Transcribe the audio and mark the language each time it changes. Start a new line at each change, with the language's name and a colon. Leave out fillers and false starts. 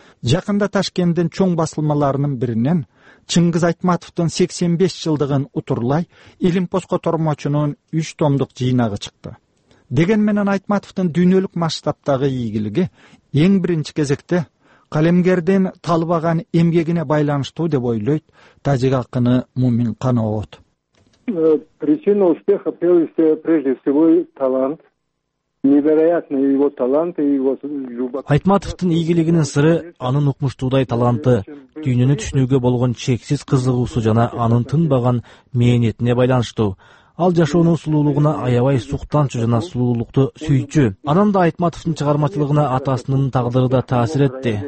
Kyrgyz: Жакында Ташкенттин чоң басылмаларынын биринен Чыңгыз Айтматовдун 85 жылдыгын утурлай Илимпос котормочунун 3 томдук жыйнагы чыкты. Деген менен Айтматовдун дүйнөлүк масштабтагы ийгилиги эң биринчи кезекте калемгердин талбаган эмгегине байланыштуу деп ойлойт тажик акыны Мумин Каноот.
Russian: Причина успеха прежде всего талант. Невероятный его талант и его любовь.
Kyrgyz: Айтматовтун ийгилигинин сыры анын укмуштуудай таланты, дүйнөнү түшүнүүгө болгон чексиз кызыгуусу жана анын тынбаган мээнетине байланыштуу. Ал жашоонун сулуулугуна аябай суктанчу жана сулуулукту сүйчү. Анан да Айтматовдун чыгармачылыгына атасынын тагдыры да таасир этти.